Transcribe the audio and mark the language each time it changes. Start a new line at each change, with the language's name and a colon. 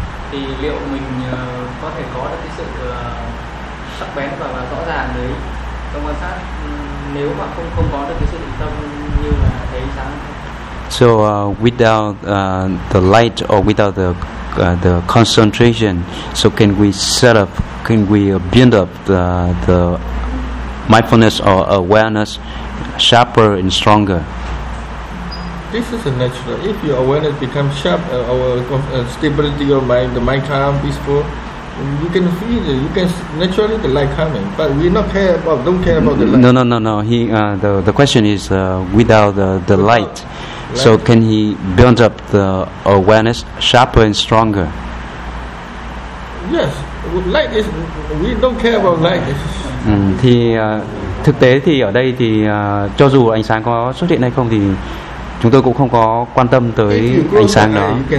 Vietnamese: Thì liệu mình có thể có được cái sự sắc bén và rõ ràng đấy trong quan sát, nếu mà không có được cái sự định tâm như là thấy sáng.
English: So without the light or without the concentration, so can we set up, can we build up the mindfulness or awareness sharper and stronger? This is a natural. If your awareness becomes sharp, stability of mind, the mind calm, peaceful, you can feel it. You can naturally the light coming. But we don't care about the light. No. The question is without the light. So can he build up the awareness sharper and stronger? Yes, light is. We don't care about light.
Vietnamese: Thì thực tế thì ở đây thì cho dù ánh sáng có xuất hiện hay không thì chúng tôi cũng không có quan tâm tới ánh sáng đó.